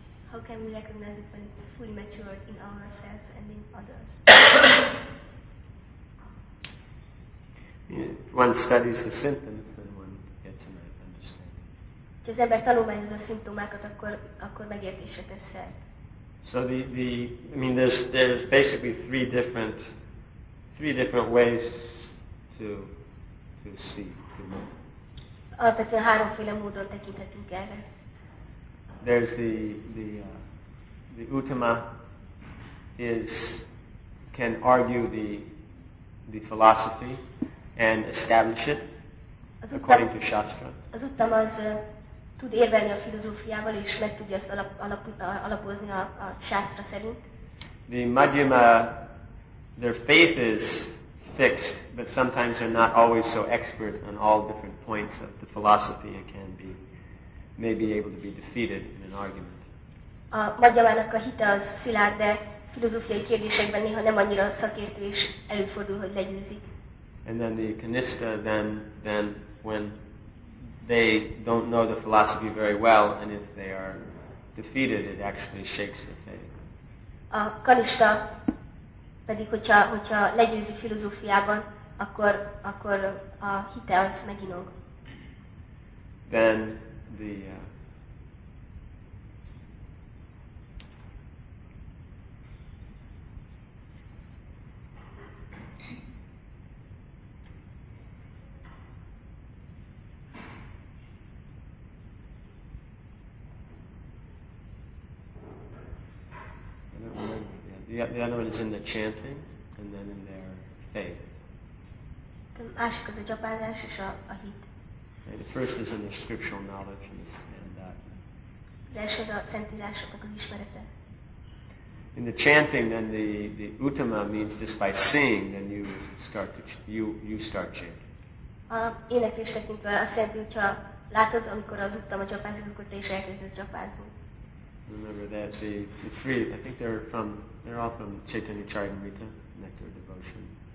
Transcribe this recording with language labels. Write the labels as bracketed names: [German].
[English] How can we recognize it when it's fully matured in ourselves and in others? One studies the symptoms, then one gets an understanding. [Hungarian] Ha az ember tanulmányozza a szimptomákat, akkor megértésre tesz szert. [English] So there's basically three different ways to see the moon. [Hungarian] Alapvetően háromféle módon tekinthetünk erre. [English] There's the Uttama can argue the philosophy and establish it according to Shastra. [Hungarian] Az Uttama az tud érvelni a filozófiával, és meg tudja ezt alapozni a sásztra szerint. [English] The Madhyama, their faith is fixed, but sometimes they're not always so expert on all different points of the philosophy and can be maybe able to be defeated in an argument. [Hungarian] A Madhyamának a hite az szilárd, de filozófiai kérdésekben néha nem annyira szakértő, és előfordul, hogy legyőzik. [English] And then the Kanista, then when they don't know the philosophy very well, and if they are defeated, it actually shakes their faith. [Hungarian] A kanista pedig, hogyha legyőzi filozófiában, akkor a hite az meginog. [English] Then the other one is in the chanting, and then in their faith. [Hungarian] The másik az a gyapázás és a hit. [English] The first is in the scriptural knowledge and that. [Hungarian] De első a szentírásoknak az ismerete. [English] In the chanting, then the uttama means just by seeing, then you start chanting. [Hungarian] A éneklés tekintve azt jelenti, hogyha látod, amikor az uttama gyapázik, akkor te is elkezded gyapázni. [English] Remember that the three, I think they're all from Chaitanya Charitamrita, Nectar Devotion.